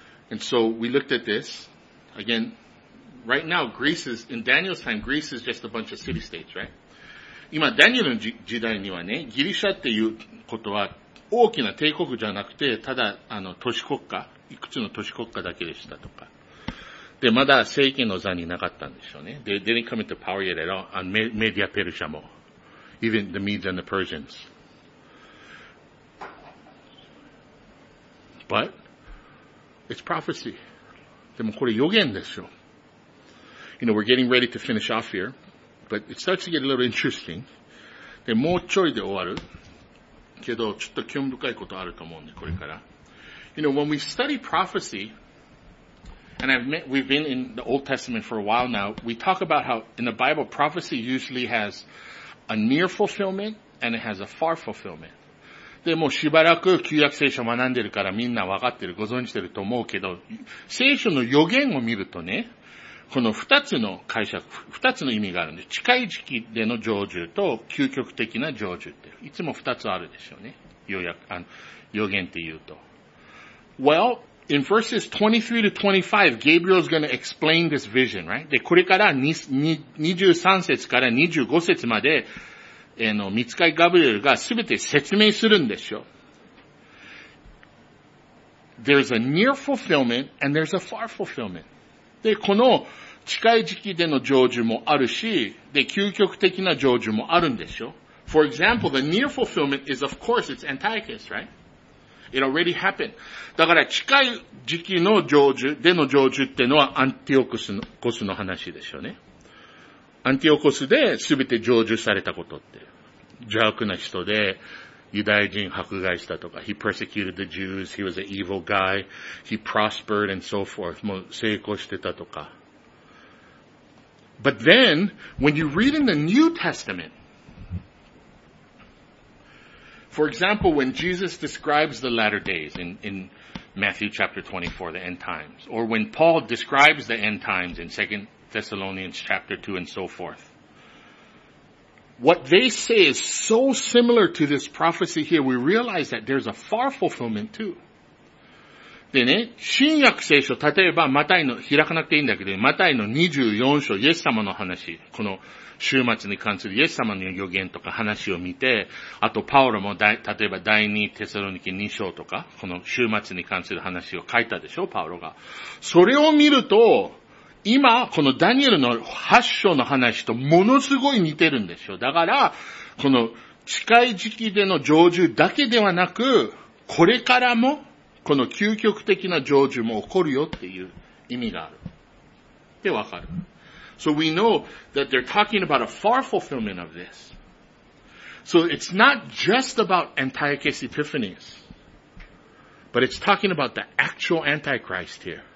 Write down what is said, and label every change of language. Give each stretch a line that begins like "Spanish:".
English: And so we looked at this again. Right now, Greece is in Daniel's time. Greece is just a bunch of city-states, right?
Japanese: 今ダニエルの時代にはね、ギリシャっていうことは大きな帝国じゃなくて、ただ都市国家、いくつの都市国家だけでしたとか。で、まだ政権の座になかったんでしょうね。
English: They didn't come into power yet at all. And Media Persia も、even the Medes and the Persians. But. It's prophecy.
Japanese: でもこれ予言ですよ。
English: You know, we're getting ready to finish off here, but it starts to get a little interesting.
Japanese: で、もうちょいで終わる。けど、ちょっと興味深いことあると思うんで、これから。
English: You know, when we study prophecy, and we've been in the Old Testament for a while now, we talk about how in the Bible, prophecy usually has a near fulfillment and it has a far fulfillment.
Japanese: でもしばらく旧約聖書を学んでるからみんなわかってる、ご存知てると思うけど、聖書の予言を見るとね、この二つの解釈、二つの意味があるんで、近い時期での成就と究極的な成就って、いつも二つあるでしょうね。予言って言うと。
English: Well, in verses 23 to 25, Gabriel's going to explain this vision, right?
Japanese: で、これから23節から25節まで、見つかりガブリエルがすべて説明するんでしょう。
English: There's a near fulfillment and there's a far fulfillment.
Japanese: で、この近い時期での成就もあるし、で、究極的な成就もあるんでしょう。
English: For example, the near fulfillment is of course, it's Antiochus, right? It already happened.
Japanese: だから近い時期の成就、での成就ってのはアンティオクスの、コスの話でしょうね。アンティオコスで全て成就されたことって。邪悪な人で、ユダヤ人迫害したとか、
English: he persecuted the Jews, he was an evil guy, he prospered and so forth,
Japanese: もう成功してたとか。
English: But then, when you read in the New Testament, for example, when Jesus describes the latter days in Matthew chapter 24, the end times, or when Paul describes the end times in 2nd Thessalonians chapter 2 and so forth. What they say is so similar to this prophecy here, we realize that there's a far fulfillment too.
Japanese: でね、新約聖書、例えばマタイの、開かなくていいんだけど、マタイの24章、イエス様の話、この週末に関するイエス様の予言とか話を見て、あとパウロも例えば第2テサロニケ2章とか、この週末に関する話を書いたでしょ、パウロが。それを見ると、今、このダニエルの8章の話とものすごい似てるんですよ。だから、この近い時期での成就だけではなく、これからも、この究極的な成就も起こるよっていう意味がある。ってわかる。
English: So we know that they're talking about a far fulfillment of this. So it's not just about Antiochus Epiphanes, but it's talking about the actual Antichrist here.